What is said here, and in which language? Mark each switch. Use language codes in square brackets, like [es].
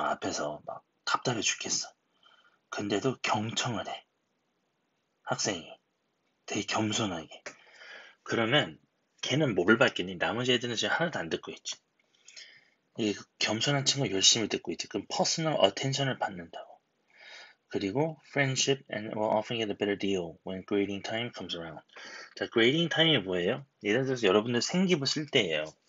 [ko] 앞에서 막 답답해 죽겠어. 근데도 경청을 해. 학생이. 되게 겸손하게. 그러면 걔는 뭘 받겠니? 나머지 애들은 지금 하나도 안 듣고 있지. 이 겸손한 친구 열심히 듣고 있지. 그럼 [en] personal attention [ko] 을 받는다고. 그리고 [en] friendship and will often get a better deal when grading time comes around. [ko] 자, [en] grading time [ko] 이 뭐예요? 예를 들어서 여러분들 생기부 쓸 때예요.